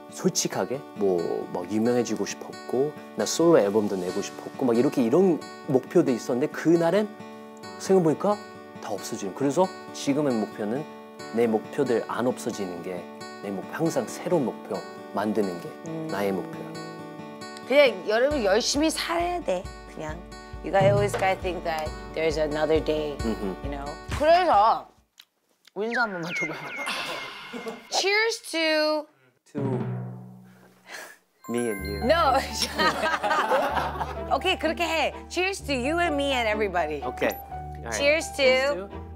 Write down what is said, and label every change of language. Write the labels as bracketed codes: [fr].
[ko] 솔직하게 뭐 유명해지고 싶었고 나 솔로 앨범도 내고 싶었고 막 이렇게 이런 목표도 있었는데 그날엔 생각해보니까 다 없어지는. 그래서 지금의 목표는 내 목표들 안 없어지는 게 내 목표, 항상 새로운 목표 만드는 게 나의 목표야. 그냥 여러분 열심히 살아야 돼. 그냥 [en] you guys always gotta think that there's another day, you know. [ko] 그래서 인사 한 번만 줘봐요. [en] Cheers to me and you. No. Okay, [ko] 그렇게 해. [en] Cheers to you and me and everybody. Okay. Right. Cheers to